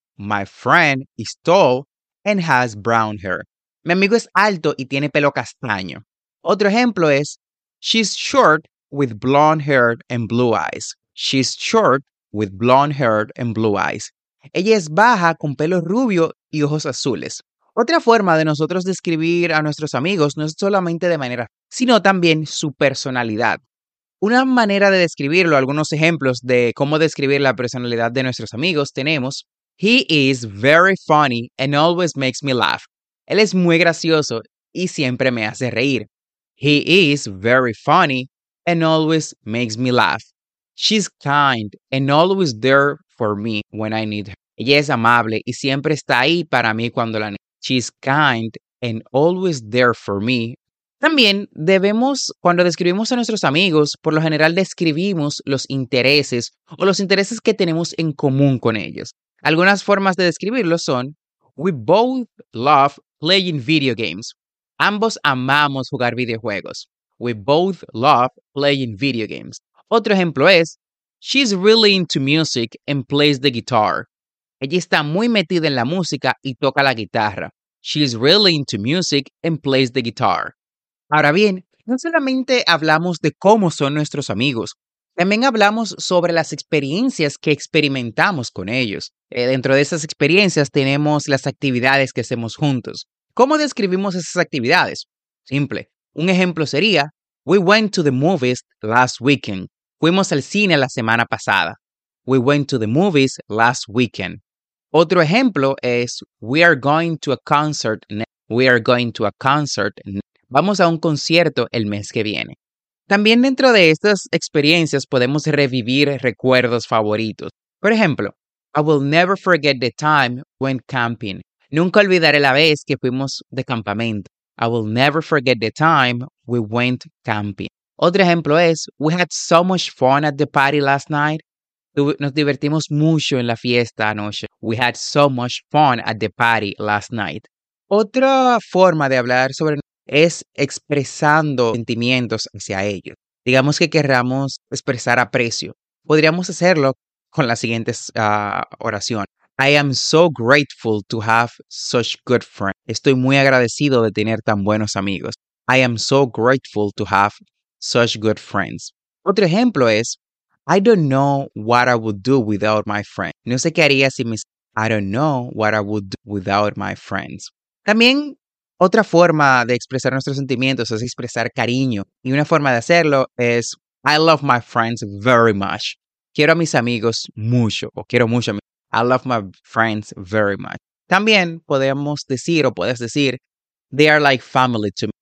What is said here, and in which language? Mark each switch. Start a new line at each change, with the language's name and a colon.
English: My friend is tall and has brown hair.
Spanish: Mi amigo es alto y tiene pelo castaño. Otro ejemplo es:
English: She's short with blonde hair and blue eyes. She's short with blonde hair and blue eyes.
Spanish: Ella es baja con pelo rubio y ojos azules. Otra forma de nosotros describir a nuestros amigos no es solamente de manera, sino también su personalidad. Una manera de describirlo, algunos ejemplos de cómo describir la personalidad de nuestros amigos, tenemos:
English: He is very funny and always makes me laugh.
Spanish: Él es muy gracioso y siempre me hace reír.
English: He is very funny and always makes me laugh. She's kind and always there for me when I need her.
Spanish: Ella es amable y siempre está ahí para mí cuando la necesito.
English: She's kind and always there for me.
Spanish: También debemos, cuando describimos a nuestros amigos, por lo general describimos los intereses o los intereses que tenemos en común con ellos. Algunas formas de describirlos son:
English: We both love playing video games.
Spanish: Ambos amamos jugar videojuegos.
English: We both love playing video games.
Spanish: Otro ejemplo es:
English: She's really into music and plays the guitar.
Spanish: Ella está muy metida en la música y toca la guitarra.
English: She's really into music and plays the guitar.
Spanish: Ahora bien, no solamente hablamos de cómo son nuestros amigos, también hablamos sobre las experiencias que experimentamos con ellos. Dentro de esas experiencias tenemos las actividades que hacemos juntos. ¿Cómo describimos esas actividades? Simple. Un ejemplo sería:
English: We went to the movies last weekend.
Spanish: Fuimos al cine la semana pasada.
English: We went to the movies last weekend.
Spanish: Otro ejemplo es:
English: We are going to a concert next. We are going to a concert next.
Spanish: Vamos a un concierto el mes que viene. También dentro de estas experiencias podemos revivir recuerdos favoritos. Por ejemplo,
English: I will never forget the time when camping.
Spanish: Nunca olvidaré la vez que fuimos de campamento.
English: I will never forget the time we went camping.
Spanish: Otro ejemplo es:
English: We had so much fun at the party last night.
Spanish: Nos divertimos mucho en la fiesta anoche.
English: We had so much fun at the party last night.
Spanish: Otra forma de hablar sobre es expresando sentimientos hacia ellos. Digamos que querramos expresar aprecio. Podríamos hacerlo con la siguiente oración:
English: I am so grateful to have such good friends.
Spanish: Estoy muy agradecido de tener tan buenos amigos.
English: I am so grateful to have such good friends.
Spanish: Otro ejemplo es:
English: I don't know what I would do without my friend.
Spanish: No sé qué haría sin mis.
English: I don't know what I would do without my friends.
Spanish: También, otra forma de expresar nuestros sentimientos es expresar cariño. Y una forma de hacerlo es,
English: I love my friends very much.
Spanish: Quiero a mis amigos mucho, o quiero mucho a mis amigos.
English: I love my friends very much.
Spanish: También podemos decir, o puedes decir,
English: they are like family to me.